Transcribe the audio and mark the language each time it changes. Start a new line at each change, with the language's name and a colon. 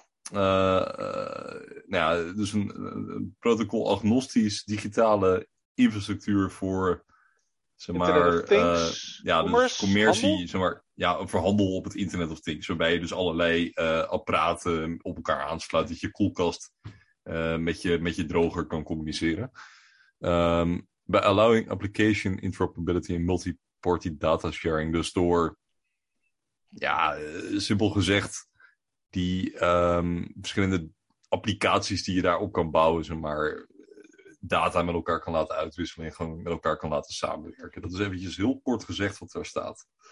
Dutch: Nou ja, dus een protocol agnostisch digitale infrastructuur voor zeg maar,
English: commerce,
Dutch: dus commercie, zeg maar, ja, voor handel op het Internet of Things. Waarbij je dus allerlei apparaten op elkaar aansluit. Dat je koelkast met je droger kan communiceren.
English: By allowing application interoperability and multi-party data sharing.
Dutch: Dus door, ja, simpel gezegd, die verschillende applicaties die je daarop kan bouwen, zeg maar, data met elkaar kan laten uitwisselen en gewoon met elkaar kan laten samenwerken. Dat is eventjes heel kort gezegd wat daar staat.